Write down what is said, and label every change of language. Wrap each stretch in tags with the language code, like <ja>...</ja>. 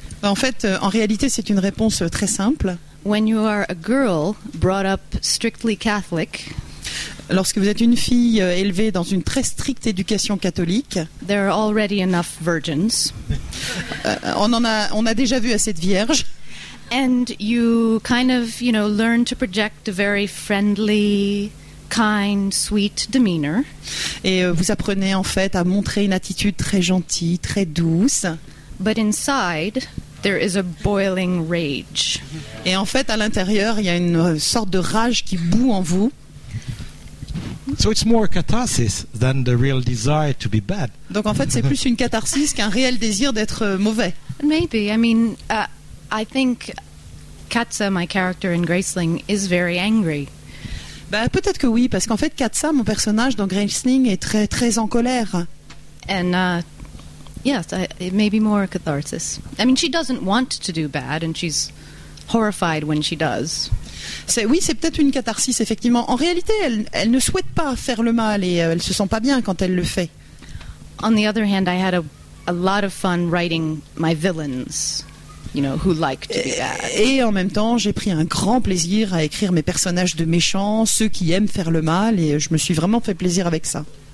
<fr>En fait, en réalité, c'est une réponse très simple.</fr> <en>When you are a girl brought up strictly Catholic,</en> <fr>lorsque vous êtes une fille élevée dans une très stricte éducation catholique,</fr> <en>there are already enough virgins.</en> <fr>on a déjà vu assez de vierges.</fr> <en>And you kind of, you know, learn to project a very friendly, kind, sweet demeanor.</en> <fr>Et vous apprenez en fait à montrer une attitude très gentille, très douce.</fr> <en>But inside, there is a boiling rage.</en> <fr>Et en fait, à l'intérieur, il y a une sorte de rage qui boue en vous.</fr> <en>So it's more catharsis than the real desire to be bad.</en> <fr>Donc en fait, c'est plus une catharsis qu'un réel désir d'être mauvais.</fr> <en>Maybe. I mean, I think Katza, my character in Graceling, is very angry.</en> <fr>Ben, peut-être que oui, parce qu'en fait, Katza, mon personnage dans Graceling, est très, très en colère.</fr> <en>And yes, it may be more catharsis. I mean, she doesn't want to do bad, and she's horrified when she does.</en> <fr>C'est peut-être une catharsis, effectivement. En réalité, elle ne souhaite pas faire le mal et elle se sent pas bien quand elle le fait.</fr> <en>On the other hand, I had a lot of fun writing my villains. You know, who like to be bad.</en> <fr>Et en même temps, j'ai pris un grand plaisir à écrire mes personnages de méchants, ceux qui aiment faire le mal, et je me suis vraiment fait plaisir avec ça.</fr>